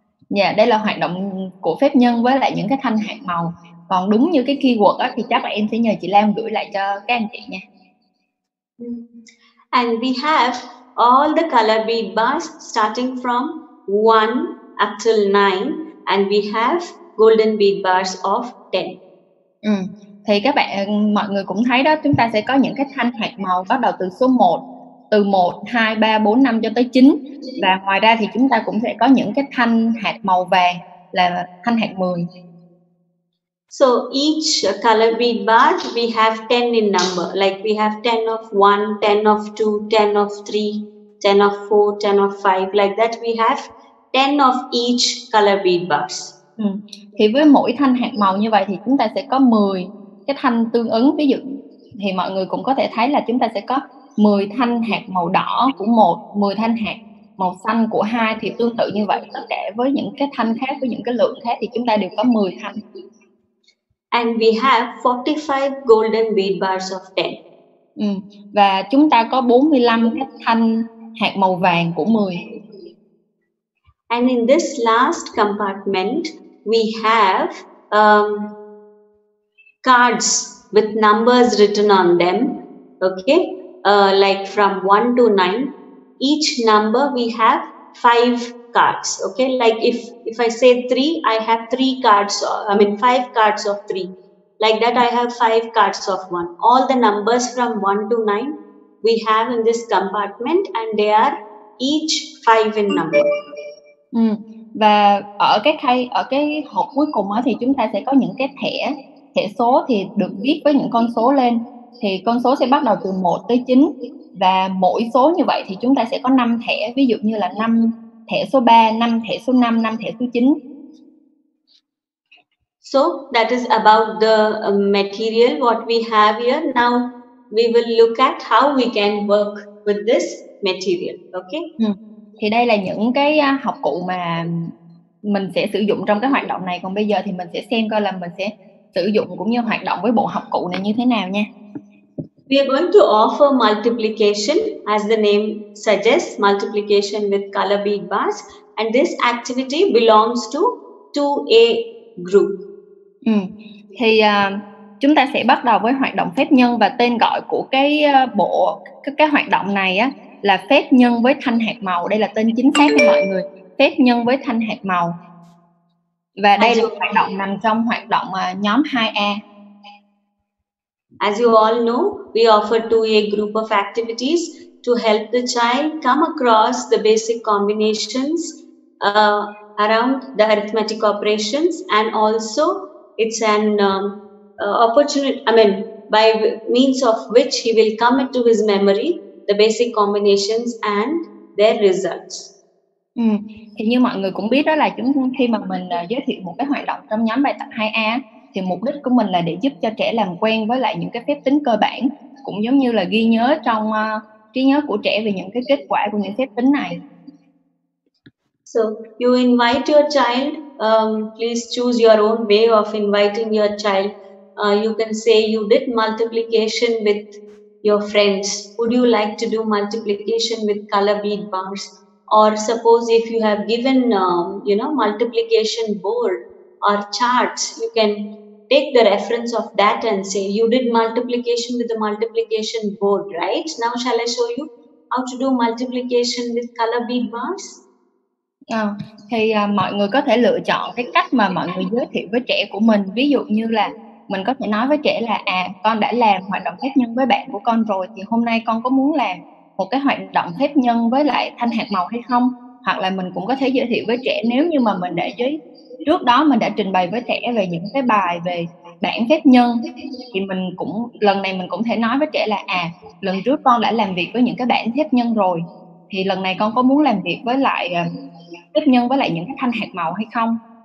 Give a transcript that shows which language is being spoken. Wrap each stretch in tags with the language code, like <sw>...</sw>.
<vi>Dạ, yeah, đây là hoạt động của phép nhân với lại những cái thanh hạt màu. Còn đúng như cái keyword á thì chắc là em sẽ nhờ chị Lam gửi lại cho các anh chị nha.</vi> <en>And we have all the color bead bars starting from 1 up till 9, and we have golden bead bars of 10.</en> <vi>Ừ. Thì các bạn mọi người cũng thấy đó, chúng ta sẽ có những cái thanh hạt màu bắt đầu từ số 1, từ 1 2 3 4 5 cho tới 9. Và ngoài ra thì chúng ta cũng sẽ có những cái thanh hạt màu vàng là thanh hạt 10.</vi> <en>So each color bead bar we have 10 in number, like we have 10 of 1, 10 of 2, 10 of 3, 10 of 4, 10 of 5, like that we have 10 of each color bead bars.</en> <vi>Thì với mỗi thanh hạt màu như vậy thì chúng ta sẽ có 10 cái thanh tương ứng. Ví dụ thì mọi người cũng có thể thấy là chúng ta sẽ có 10 thanh hạt màu đỏ của 1, 10 thanh hạt màu xanh của 2. Thì tương tự như vậy, tất cả với những cái thanh khác, với những cái lượng khác thì chúng ta đều có 10 thanh.</vi> <en>And we have 45 golden bead bars of 10.</en> <vi>Và chúng ta có 45 cái thanh hạt màu vàng của 10.</vi> <en>And in this last compartment, we have cards with numbers written on them, okay? Like from 1 to 9, each number we have 5 cards, okay? Like if I say 3, I have 3 cards, I mean 5 cards of 3. Like that, I have 5 cards of 1. All the numbers from 1 to 9, we have in this compartment, and they are each 5 in number.</en> <vi>Và ở cái hộp cuối cùng thì chúng ta sẽ có những cái thẻ số thì được viết với những con số lên. Thì con số sẽ bắt đầu từ 1 tới 9. Và mỗi số như vậy thì chúng ta sẽ có 5 thẻ. Ví dụ như là 5 thẻ số 3, 5 thẻ số 5, 5 thẻ số 9.</vi> <en>So that is about the material what we have here. Now we will look at how we can work with this material, okay?</en> <vi>Thì đây là những cái học cụ mà mình sẽ sử dụng trong cái hoạt động này. Còn bây giờ thì mình sẽ xem coi là mình sẽ sử dụng cũng như hoạt động với bộ học cụ này như thế nào nha.</vi> <en>We are going to offer multiplication, as the name suggests, multiplication with color bead bars. And this activity belongs to 2A group.</en> <vi>Chúng ta sẽ bắt đầu với hoạt động phép nhân, và tên gọi của cái hoạt động này á là phép nhân với thanh hạt màu. Đây là tên chính xác của mọi người, phép nhân với thanh hạt màu. Và đây là hoạt động nằm trong hoạt động nhóm 2A.</vi> <en>As you all know, we offer 2A group of activities to help the child come across the basic combinations around the arithmetic operations, and also it's an opportunity, I mean, by means of which he will come into his memory the basic combinations and their results.</en> <vi>Thì như mọi người cũng biết đó là khi mà mình giới thiệu một cái hoạt động trong nhóm bài tập 2A thì mục đích của mình là để giúp cho trẻ làm quen với lại những cái phép tính cơ bản, cũng giống như là ghi nhớ trong trí nhớ của trẻ về những cái kết quả của những phép tính này.</vi> <en>So you invite your child, please choose your own way of inviting your child. You can say you did multiplication with your friends. Would you like to do multiplication with color bead bars? Or suppose if you have given multiplication board or charts, you can take the reference of that and say you did multiplication with the multiplication board, right? Now shall I show you how to do multiplication with color bead bars?</en> <vi>Mọi người có thể lựa chọn cái cách mà mọi người giới thiệu với trẻ của mình. Ví dụ như là mình có thể nói với trẻ là con đã làm hoạt động phép nhân với bạn của con rồi, thì hôm nay con có muốn làm một cái hoạt động phép nhân với lại thanh hạt màu hay không, hoặc là mình cũng có thể giới thiệu với trẻ nếu như mà mình đã giới trước đó mình đã trình bày với trẻ về những cái bài về bảng phép nhân, thì mình cũng lần này mình cũng thể nói với trẻ là à, lần trước con đã làm việc với những cái bảng phép nhân rồi, thì lần này con có muốn làm việc với lại phép nhân với lại những cái thanh hạt màu hay không.</vi>